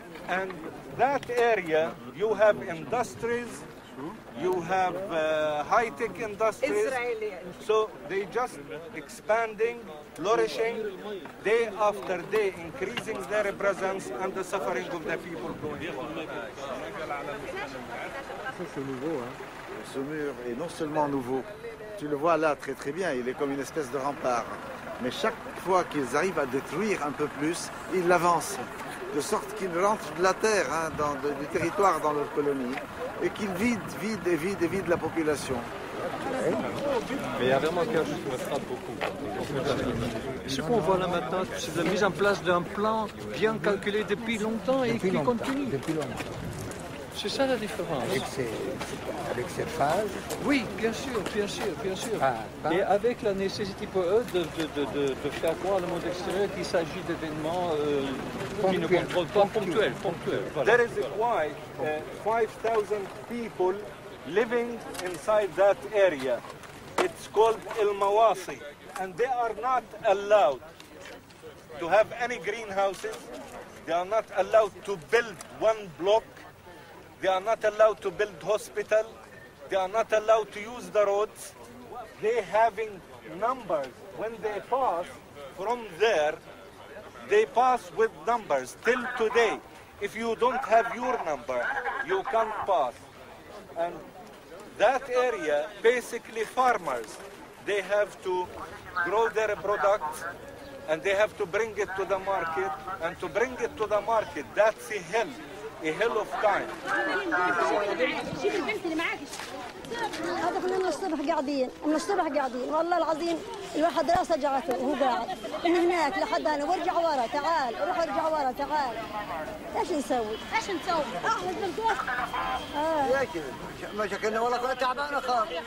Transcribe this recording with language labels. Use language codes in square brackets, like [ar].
[en] And that area, you have industries, you have high-tech industries. Israeli. So they just expanding, flourishing, day after day, increasing their presence and the suffering of the people going forward. [fr] Ce mur est non seulement nouveau, tu le vois là très très bien, il est comme une espèce de rempart. Mais chaque fois qu'ils arrivent à détruire un peu plus, ils l'avancent. De sorte qu'ils rentrent de la terre, hein, dans du territoire dans leur colonie, et qu'ils vident la population. Mais il y a vraiment quelque chose qui me frappe beaucoup. Ce qu'on voit là maintenant, c'est la mise en place d'un plan bien calculé depuis longtemps et qui continue. Depuis longtemps. C'est ça la différence. Avec ces phases. Oui, bien sûr. Pas. Et avec la nécessité pour eux de faire croire le monde extérieur qu'il s'agit d'événements ponctuels. [en] There is why 5,000 people living inside that area. It's called El Mawasi, and they are not allowed to have any greenhouses. They are not allowed to build one block. They are not allowed to build hospital. They are not allowed to use the roads. They having numbers. When they pass from there, they pass with numbers till today. If you don't have your number, you can't pass. And that area, basically farmers, they have to grow their products and they have to bring it to the market. And to bring it to the market, that's a hill of time. [ar] هذا كنا من الصبح قاعدين من الصبح قاعدين والله العظيم الواحد راسه جعته وهو قاعد من هناك لحد انا وارجع ورا تعال روح ارجع ورا تعال ايش نسوي ايش نسوي احنا بنقول ياكل مشكلنا والله تعبان خالص يا